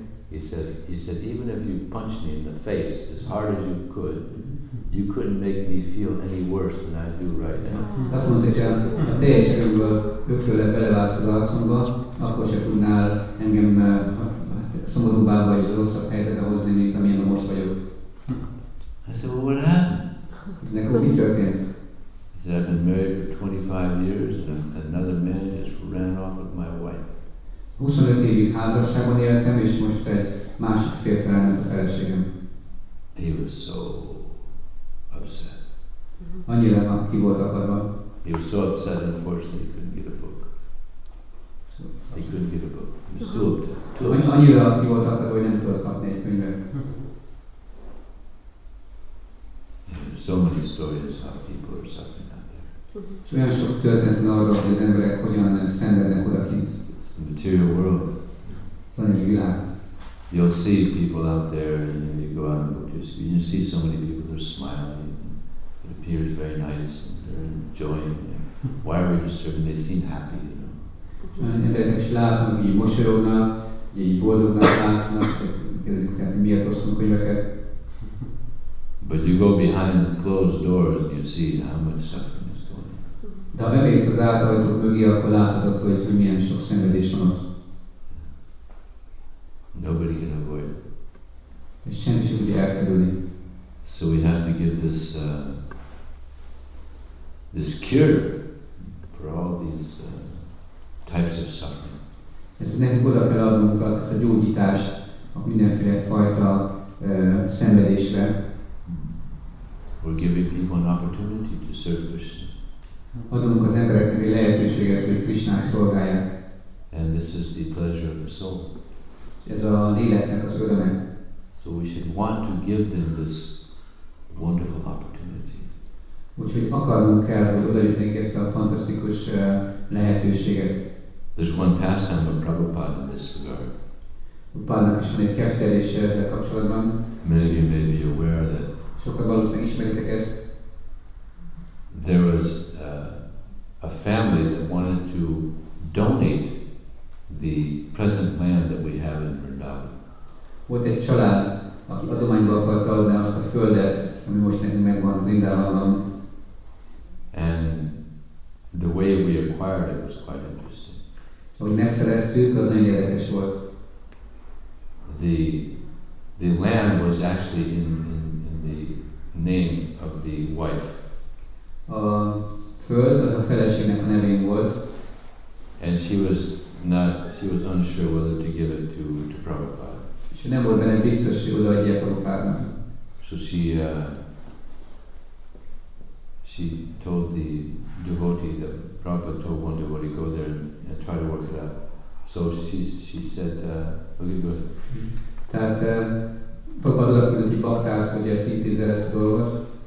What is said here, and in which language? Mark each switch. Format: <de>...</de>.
<en>He said, even if you punched me in the face as hard as you couldn't make me feel any worse than I do right now.</en> <hu>Azt mondta, hogy ha teljes erőből ökfőle belevágsz az arcomba, akkor se tudnál engem szomorúbbá vagy az rosszabb helyzetbe hozni, mint amilyen most vagyok.</hu> <en>I said, well, what happened?</en> <hu>Nekem mi történt?</hu> <en>He said, I've been married for 25 years and another man just ran off with my wife.</en> <hu>25 évig házasságban éltem, és most egy másik férfi elment a feleségem.</hu> <en>He was so upset.</en> <hu>Annyira ki volt akadva.</hu> <en>He was so upset, unfortunately, he couldn't get a book. He couldn't get a book. He was too upset.</en> <hu>Annyira ki volt akadva, hogy nem tudott kapni egy könyvet.</hu> <en>There are so many stories how people are suffering out there.</en> <hu>És olyan sok történet van arról, hogy az emberek hogyan szenvednek odakint.</hu> <en>The material world. You'll see people out there, and you go out and just you see so many people who are smiling. And it appears very nice, and they're enjoying. And why are we disturbing? They seem happy, you know. But you go behind the closed doors, and you see how much suffering.</en> <hu>De ha bemész az átajtók mögé, akkor láthatod, hogy milyen sok szenvedés van ott.</hu> <en>Nobody can avoid.</en> <hu>És senki sem tudja elkerülni.</hu> <en>So we have to give this cure for all these types of suffering.</en> <hu>Ezt nekünk oda kell adnunk ezt a gyógyítást a mindenféle fajta szenvedésre.</hu> <en>We're giving people an opportunity to serve Krishna.</en> <hu>Adunk az embereknek egy lehetőséget, hogy Krisnát szolgálják.</hu> <en>And this is the pleasure of the soul.</en> <hu>Ez a léleknek az öröme.</hu> <en>So we should want to give them this wonderful opportunity.</en> <hu>Úgyhogy akarnunk kell, hogy odajutnék ezt a fantasztikus lehetőséget.</hu> <en>There's one pastime of Prabhupada in this regard.</en> <hu>Prabhupádnak is van egy keftelése ezzel kapcsolatban.</hu> <en>Many of you may be aware that.</en> <hu>Sokan valószínűleg ismeritek ezt.</hu> <en>There was a family that wanted to donate the present land that we have in Vrindavan.</en> <hu>Volt egy család, aki adományba akart adni azt a földet, ami most nekünk megvan Vrindavanban.</hu> <en>And the way we acquired it was quite interesting.</en> <hu>Ahogy megszereztük, az nagyon érdekes volt.</hu> <en>The land was actually in the name of the wife.</en> <hu>A föld az a feleségnek a nevén volt.</hu> <en>And she was unsure whether to give it to Prabhupada.</en> <hu>És nem volt benne biztos, hogy odaadja Prabhupádnak.</hu> <en>So she told the devotee, that Prabhupada told one devotee, go there and try to work it out. So she said, okay, good.</en> <hu>Tehát Papadra küldi baktát, hogy ezt intézze ezt a dolgot.</hu>